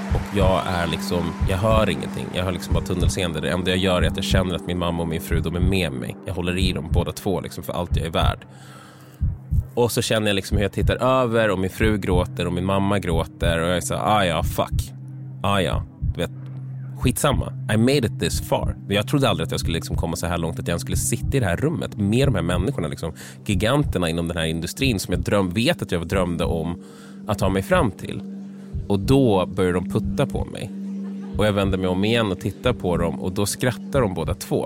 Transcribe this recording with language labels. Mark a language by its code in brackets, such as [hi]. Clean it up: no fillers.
[sv] Och jag är liksom, jag hör ingenting. Jag hör liksom bara tunnelseende. Det enda jag gör är att jag känner att min mamma och min fru, de är med mig. Jag håller i dem båda två liksom för allt jag är värd. Och så känner jag liksom hur jag tittar över och min fru gråter och min mamma gråter. Och jag säger, ah ja, fuck. Ah ja, du vet. Skitsamma, [en] I made it this far. [sv] Jag trodde aldrig att jag skulle liksom komma så här långt, att jag skulle sitta i det här rummet med de här människorna liksom, giganterna inom den här industrin som jag vet att jag drömde om att ta mig fram till. Och då börjar de putta på mig och jag vänder mig om igen och tittar på dem och då skrattar de båda två.